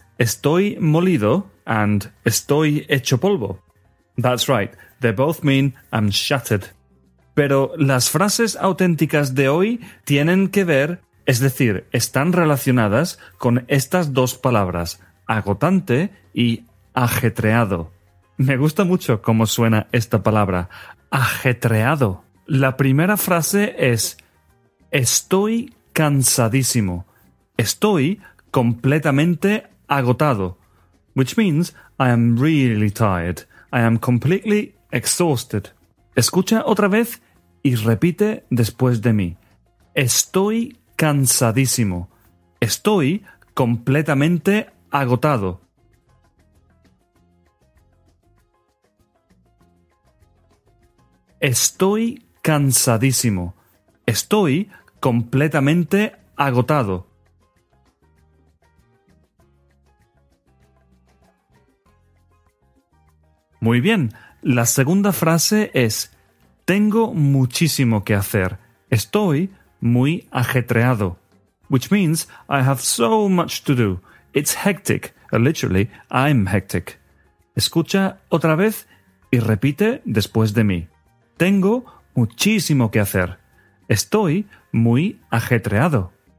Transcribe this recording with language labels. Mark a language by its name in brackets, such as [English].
[Spanish] Estoy molido and estoy hecho polvo. [English] That's right. They both mean I'm shattered. [Spanish] Pero las frases auténticas de hoy tienen que ver, es decir, están relacionadas con estas dos palabras, agotante y ajetreado. Me gusta mucho cómo suena esta palabra, ajetreado. La primera frase es, estoy cansadísimo. Estoy completamente agotado. [English] Which means, I am really tired. I am completely exhausted. [Spanish] Escucha otra vez y repite después de mí. Estoy cansadísimo. Estoy completamente agotado. Estoy cansadísimo. Estoy completamente agotado. Muy bien, la segunda frase es, tengo muchísimo que hacer. Estoy muy ajetreado. [English] Which means, I have so much to do. It's hectic. Literally, I'm hectic. [Spanish] Escucha otra vez y repite después de mí. Tengo muchísimo que hacer. Estoy muy ajetreado.